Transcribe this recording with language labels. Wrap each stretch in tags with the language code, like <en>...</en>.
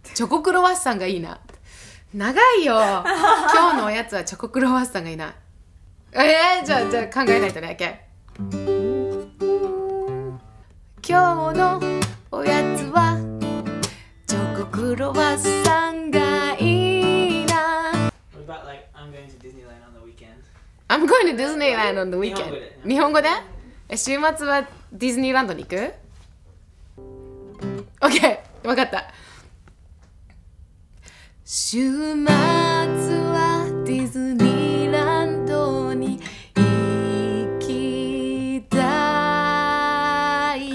<ja>チョコクロワッサンがいいな長いよ今日のおやつはチョコクロワッサンがいいな。じゃあ考えないとね。 OK 今日のおやつはチョコクロワッサンがいいな。</ja> <en>What about like I'm going to Disneyland on the weekend? I'm going to Disneyland on the weekend.</en> <ja>日本語で、ね、週末はディズニーランドに行く ?OK! わかった。週末はディズニーランドに行きたいよ。</ja>